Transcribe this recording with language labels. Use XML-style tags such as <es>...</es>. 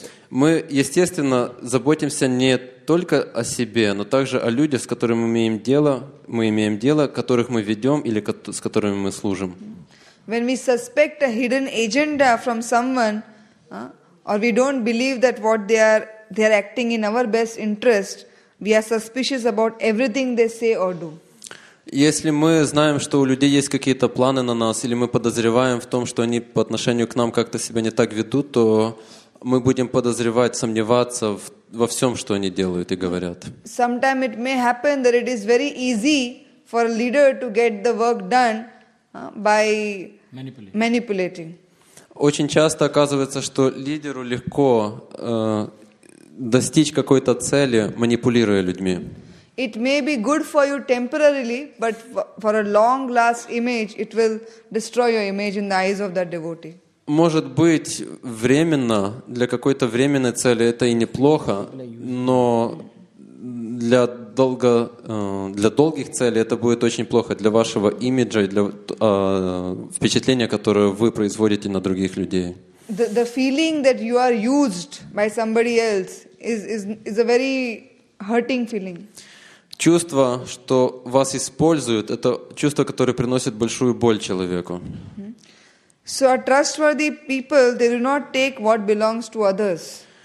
<ru>Мы, естественно, заботимся не только о себе, но также о людях, с которыми мы имеем дело, которых мы ведем или с которыми мы служим.</ru> <en>When we suspect a hidden agenda from someone, or we don't believe that what they are acting in our best interest, we are suspicious about everything they say or do.</en> <ru>Если мы знаем, что у людей есть какие-то планы на нас, или мы подозреваем в том, что они по отношению к нам как-то себя не так ведут, то мы будем подозревать, сомневаться во всем, что они делают и говорят.</ru> <en>Sometimes it may happen that it is very easy for a leader to get the work done by manipulating.</en> <ru>Очень часто оказывается, что лидеру легко достичь какой-то цели, манипулируя людьми.</ru> <en>It may be good for you temporarily, but for a long last image, it will destroy your image in the eyes of that devotee. Может быть временно, для какой-то временной цели это и неплохо, но для долгих целей это будет очень плохо для вашего имиджа и для впечатления, которое вы производите на других людей. The feeling that you are used by somebody else is a very hurting feeling.</en> <ru>Чувство, что вас используют, это чувство, которое приносит большую боль человеку.</ru> <en>So a trustworthy people, they do not take what belongs to others.</en>